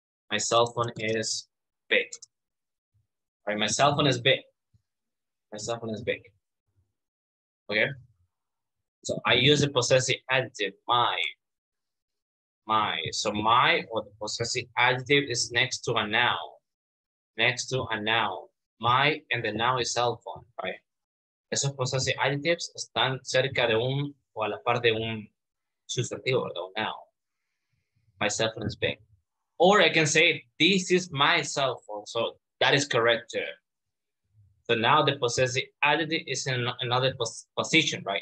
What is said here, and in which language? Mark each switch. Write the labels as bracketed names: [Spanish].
[English] My cell phone is big. All right, my cell phone is big. My cell phone is big. Okay? So I use the possessive adjective, my. My. So my or the possessive adjective is next to a noun. Next to a noun. My and the noun is cell phone, right? [Spanish] Esos [English] possessive adjectives [Spanish] están cerca de un o a la par de un sustantivo, ¿verdad? [English] Un noun. My cell phone is big. Or I can say, this is my cell phone. So that is correct too. So now the possessive adjective is in another position, right?